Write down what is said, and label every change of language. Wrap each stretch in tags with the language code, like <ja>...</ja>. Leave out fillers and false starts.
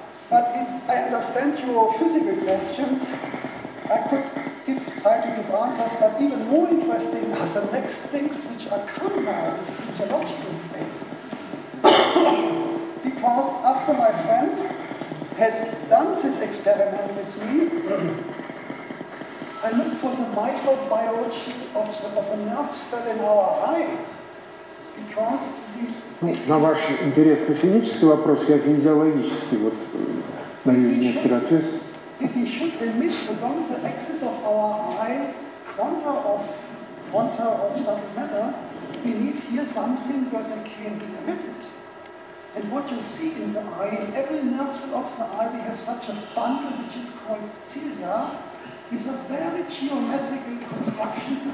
<en>But it's, I understand your physical questions. I could try to give answers, but even more interesting are the next things which are coming out in the physiological state. Because after my friend had done this experiment with me, I looked for the microbiology of a nerve cell in our eye. Because</en> <ru>на ваш интересный физический вопрос, я физиологический, вот на него некоторый ответ.</ru> <en>If we should emit along the axis of our eye quanta of some matter, we need here something where they can be emitted. And what you see in the eye, in every nerve cell of the eye, we have such a bundle which is called cilia, is a very geometrical construction.</en>